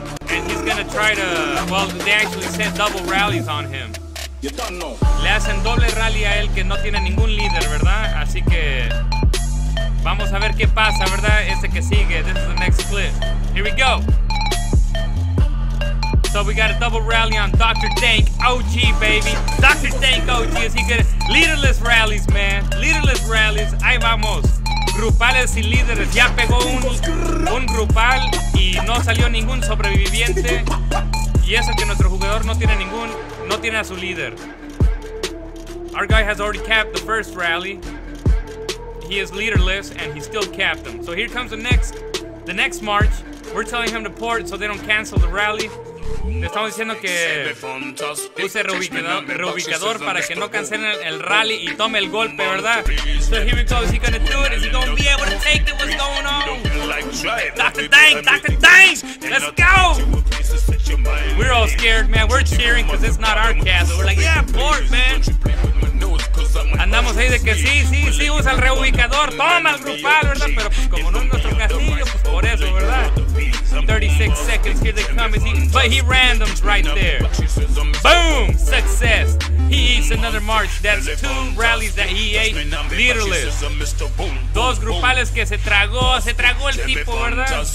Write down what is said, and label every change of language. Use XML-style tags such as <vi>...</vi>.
<en>And he's gonna try to, well, they actually sent double rallies on him.</en> <es>Le hacen doble rally a él que no tiene ningún líder, ¿verdad? Así que vamos a ver qué pasa, ¿verdad? Este que sigue.</es> <en>This is the next clip. Here we go. So we got a double rally on Dr. Dank OG, baby. Dr. Dank OG, is he good? Leaderless rallies, man. Leaderless rallies.</en> <es>Ahí vamos. Grupales sin líderes. Ya pegó un grupal y no salió ningún sobreviviente. Y eso que nuestro jugador no tiene ningún... No tiene a su líder.</es> <en>Our guy has already capped the first rally. He is leaderless and he still capped them. So here comes the next march. We're telling him to port so they don't cancel the rally.</en> <es>Le estamos diciendo que use reubicador para que no cancelen el rally y tome el golpe, ¿verdad?</es> <en>So here we go, is he gonna do it? Is he gonna be able to take it? What's going on? Dr. Dank, let's go! We're all scared, man. We're cheering because it's not our castle. We're like, yeah, port, man.</en> <es>Andamos ahí de que sí, usa el reubicador, toma el grupal, ¿verdad? Pero pues como no es nuestro castillo, pues por eso, ¿verdad?</es> <en>36 seconds, here they come, but he randoms right there. Boom, success. He eats another march, that's two rallies that he ate leaderless.</en> <es>Dos grupales que se tragó el tipo, ¿verdad?</es>